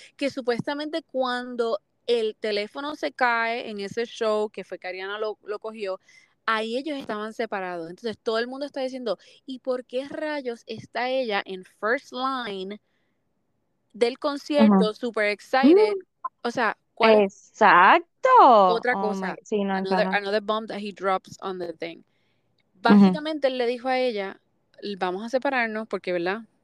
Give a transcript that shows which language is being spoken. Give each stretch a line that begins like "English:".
Spanish: Que supuestamente cuando el teléfono se cae en ese show, que fue que Ariana lo cogió, ahí ellos estaban separados. Entonces todo el mundo está diciendo, ¿y por qué rayos está ella en
English: first line
Spanish: del concierto,
English: super excited?
Spanish: O sea, ¿cuál? ¡Exacto! Otra cosa. Sí, no,
English: another bomb that he drops on the thing.
Spanish: Básicamente, él le dijo a ella, vamos a separarnos, porque, ¿verdad?